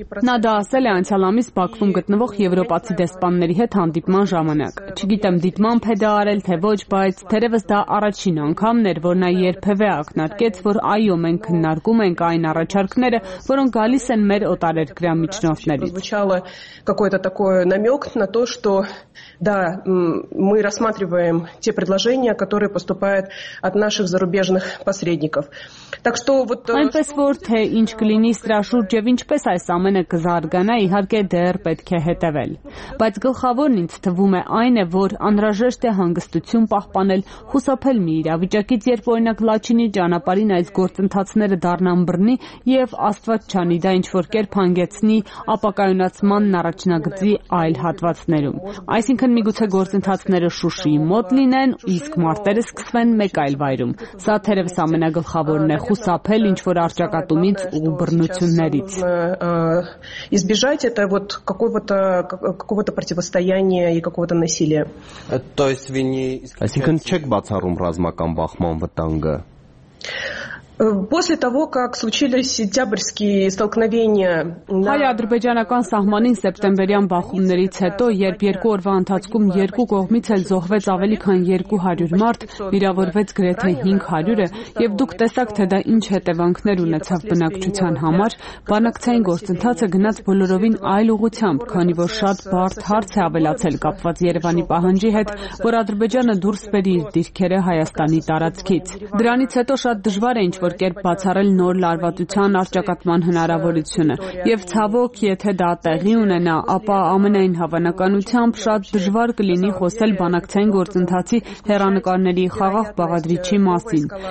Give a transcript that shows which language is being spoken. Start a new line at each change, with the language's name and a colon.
Armenian: Նա դա ասել է անցյալ ամիս Բաքվում գտնվող եվրոպացի դեսպանների հետ հանդիպման ժամանակ։ Չգիտեմ դիտմամբ է դա արել, թե ոչ, բայց թերևս դա առաջին անգամն էր, որ նա երբևէ ակնարկեց, որ այո, մենք քննարկում ենք այն առաջարկները, որոնք գալիս են մեր օտարերկրյա միջնորդներից։
Russian: Да, мы рассматриваем те предложения, которые поступают от наших зарубежных посредников. Так что вот
Armenian: Այնպես որ թե ինչ կլինի Ստրաշուրջ եւ ինչպես այս ամենը կզարգանա, իհարկե դեռ պետք է հետևել։ Բայց գլխավորն ինձ թվում է այն է, որ անհրաժեշտ է հանգստություն պահպանել, խուսափել մի իրավիճակից, երբ օրինակ Լաչինի ճանապարհին այս գործընթացները դառնան բռնի եւ աստված չանի, դա ինչ որ կերպ հանգեցնի ապակայունացման առաջնագծի այլ հատվածներում։ Այս ինքն միգուցե գործընթացները Շուշիի մոտ լինեն, իսկ մարտերը սկսվեն մեկ այլ վայրում։ Սա թերևս ամենագլխավորն է՝ խուսափել ինչ որ արճակատումից ու բռնություններից։
Russian: Избежать это вот какого-то противостояния и какого-то насилия. То есть вы не
Armenian: Այսինքն չեք բացառում ռազմական բախման վտանգը։
Russian: После того, как случились сентябрьские столкновения,
Armenian: Հայ ադրբեջանական սահմանին սեպտեմբերյան բախումներից հետո, երբ երկու օրվա ընթացքում երկու կողմից էլ զոհվեց ավելի քան 200 մարդ, վիրավորվեց գրեթե 500-ը, եւ դուք տեսաք, թե դա ինչ հետևանքներ ունեցավ բնակչության համար, բանակցային գործընթացը գնաց բոլորովին այլ ուղությամբ, քանի որ շատ բարդ հարց է ավելացել կապված Երևանի պահանջի հետ, որ Ադրբեջանը դուրս բերի իր դիրքերը Հայաստանի տարածքից։ Դրանից հետո շատ դժվար է ինչ-որ կերպ բացառել նոր լարվածության արճակատման հնարավորությունը։ Եվ ցավոք, եթե դա տեղի ունենա, ապա ամենայն հավանականությամբ շատ դժվար կլինի խոսել բանակցային գործընթացի հեռանկարների խաղաղ բաղադրիչի մասին։